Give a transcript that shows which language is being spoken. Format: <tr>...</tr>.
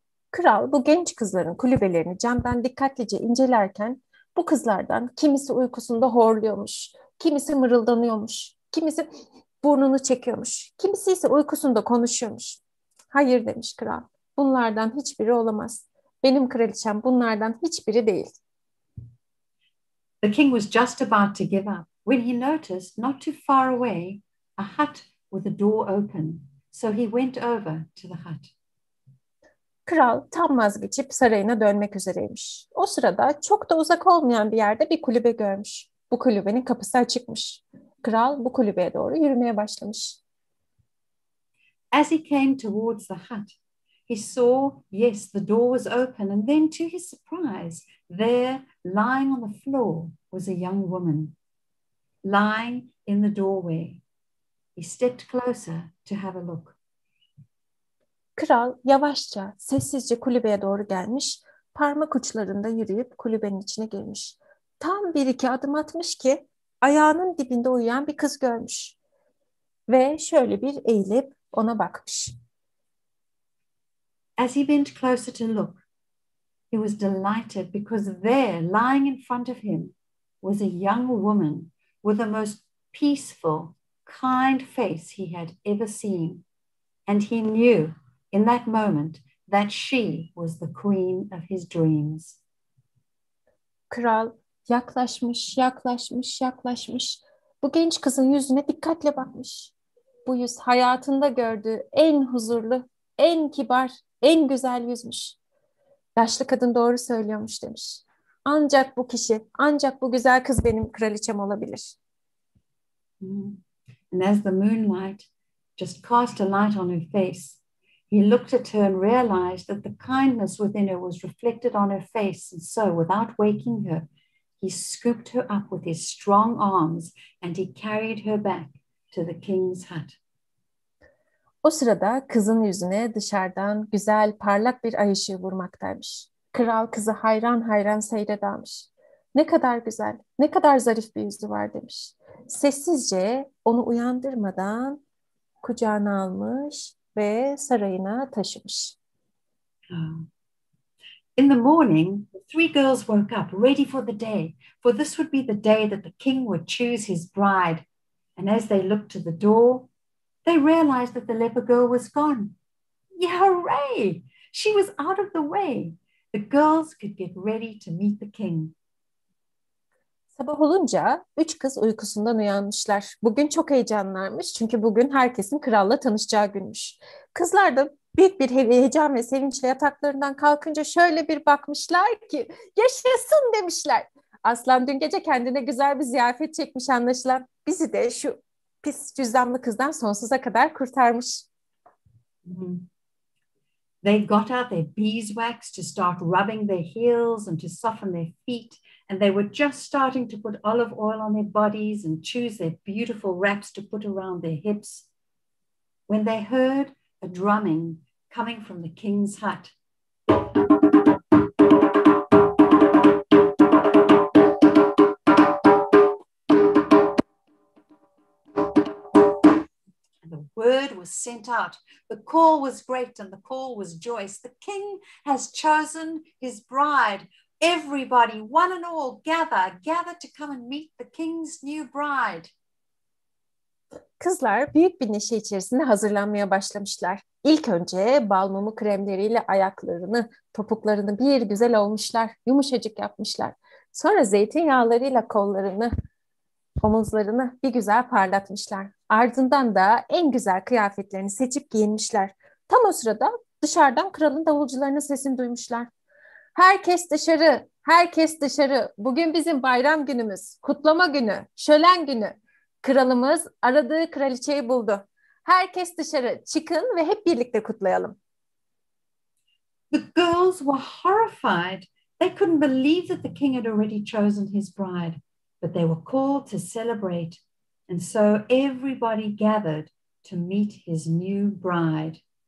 <tr>Kral bu genç kızların kulübelerini camdan dikkatlice incelerken bu kızlardan kimisi uykusunda horluyormuş, kimisi mırıldanıyormuş, kimisi burnunu çekiyormuş, kimisi ise uykusunda konuşuyormuş. Hayır demiş kral, bunlardan hiçbiri olamaz. Benim kraliçem bunlardan hiçbiri değil.</tr> <en>The king was just about to give up when he noticed not too far away a hut with a door open. So he went over to the hut.</en> <tr>Kral tam vazgeçip sarayına dönmek üzereymiş. O sırada çok da uzak olmayan bir yerde bir kulübe görmüş. Bu kulübenin kapısı açıkmış. Kral bu kulübeye doğru yürümeye başlamış.</tr> <en>As he came towards the hut, he saw, yes, the door was open, and then to his surprise, there, lying on the floor, was a young woman, lying in the doorway. He stepped closer to have a look.</en> <tr>Kral yavaşça, sessizce kulübeye doğru gelmiş, parmak uçlarında yürüyüp kulübenin içine girmiş. Tam bir iki adım atmış ki, ayağının dibinde uyuyan bir kız görmüş. Ve şöyle bir eğilip ona bakmış.</tr> <en>As he bent closer to look, he was delighted because there, lying in front of him, was a young woman with the most peaceful, kind face he had ever seen. And he knew in that moment that she was the queen of his dreams.</en> <tr>Kral yaklaşmış, yaklaşmış, yaklaşmış. Bu genç kızın yüzüne dikkatle bakmış. Bu yüz hayatında gördüğü en huzurlu, en kibar, en güzel yüzmüş. Yaşlı kadın doğru söylüyormuş demiş. Ancak bu kişi, ancak bu güzel kız benim kraliçem olabilir.</tr> <en>And as the moonlight just cast a light on her face, he looked at her and realized that the kindness within her was reflected on her face. And so, without waking her, he scooped her up with his strong arms and he carried her back to the king's hut.</en> <tr>O sırada kızın yüzüne dışarıdan güzel, parlak bir ay ışığı vurmaktaymış. Kral kızı hayran hayran seyredermiş. Ne kadar güzel, ne kadar zarif bir yüzü var demiş. Sessizce onu uyandırmadan kucağına almış ve sarayına taşımış.</tr> <en>In the morning, three girls woke up ready for the day. For this would be the day that the king would choose his bride. And as they looked to the door, they realized that the leper girl was gone. Yeah, hooray! She was out of the way. The girls could get ready to meet the king.</en> <tr>Sabah olunca üç kız uykusundan uyanmışlar. Bugün çok heyecanlarmış çünkü bugün herkesin kralla tanışacağı günmüş. Kızlar da büyük bir heyecan ve sevinçle yataklarından kalkınca şöyle bir bakmışlar ki yaşasın demişler. Aslan dün gece kendine güzel bir ziyafet çekmiş anlaşılan. Bizi de şu pis cüzdanlı kızdan sonsuza kadar kurtarmış.</tr> <en>They got out their beeswax to start rubbing their heels and to soften their feet. And they were just starting to put olive oil on their bodies and choose their beautiful wraps to put around their hips. When they heard a drumming coming from the king's hut. Word was sent out. The call was great and the call was joyous. The king has chosen his bride. Everybody, one and all, gather, gather to come and meet the king's new bride.</en> <tr>Kızlar büyük bir neşe içerisinde hazırlanmaya başlamışlar. İlk önce balmumu kremleriyle ayaklarını, topuklarını bir güzel olmuşlar, yumuşacık yapmışlar. Sonra zeytinyağlarıyla kollarını, omuzlarını bir güzel parlatmışlar. Ardından da en güzel kıyafetlerini seçip giyinmişler. Tam o sırada dışarıdan kralın davulcularının sesini duymuşlar. Herkes dışarı, herkes dışarı. Bugün bizim bayram günümüz, kutlama günü, şölen günü. Kralımız aradığı kraliçeyi buldu. Herkes dışarı, çıkın ve hep birlikte kutlayalım.</tr> <en>The girls were horrified. They couldn't believe that the king had already chosen his bride. But they were called to celebrate. And so everybody gathered to meet his new bride.</en>